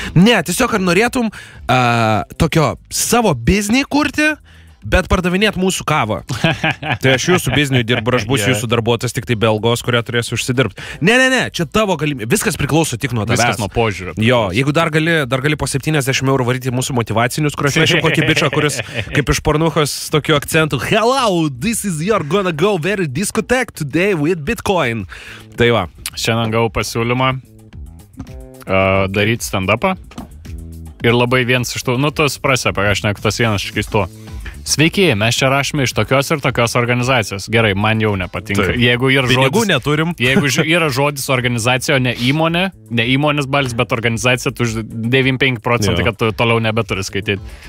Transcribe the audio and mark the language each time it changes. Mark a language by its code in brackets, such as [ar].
[lt] Ne, tiesiog ar norėtum tokio savo biznį kurti, bet pardavinėt mūsų kavą. Tai aš jūsų bizniui dirbu, aš būsiu jūsų darbuotojas, tik tai be algos, kurią turėsiu užsidirbti. Ne, čia tavo galimybė. Viskas priklauso tik nuo tavęs. Viskas nuo požiūrio. Jo, jeigu dar gali po 70 eurų varyti mūsų motivacinius, kur aš nešiu kokį bičą, kuris kaip iš pornuchos tokiu akcentu. [en] Hello, this is your gonna go very discotheque today with Bitcoin. [lt] Tai va. Šiandien gavau pasiūlymą daryti stand-upą. Ir labai vienas iš tų, nu tu suprasi, apie ką aš neku, tas vienas iš keistų. Sveiki, mes čia rašome iš tokios ir tokios organizacijos. Gerai, man jau nepatinka. Tai. Jeigu yra žodis, pinigų neturim. Jeigu yra žodis organizacija, o ne įmonė, ne įmonės balis, bet organizacija, tu 95%, kad tu toliau nebeturi skaityti.